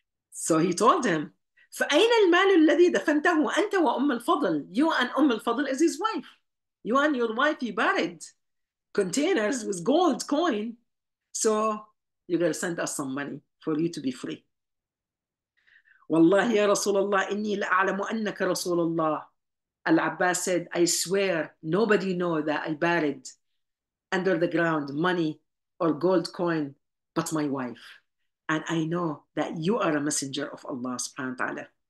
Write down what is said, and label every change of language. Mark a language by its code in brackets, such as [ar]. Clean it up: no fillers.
[en] So he told him, [ar] فأين المال الذي دفنته أنت وأم الفضل? [en] You and أم الفضل is his wife. You and your wife, you buried containers with gold coin. So you're going to send us some money for you to be free. [ar] والله يا رسول الله إني لأعلم أنك رسول الله. [en] Al-Abbas said, I swear nobody know that I buried under the ground money or gold coin but my wife. And I know that you are a messenger of Allah subhanahu wa ta'ala.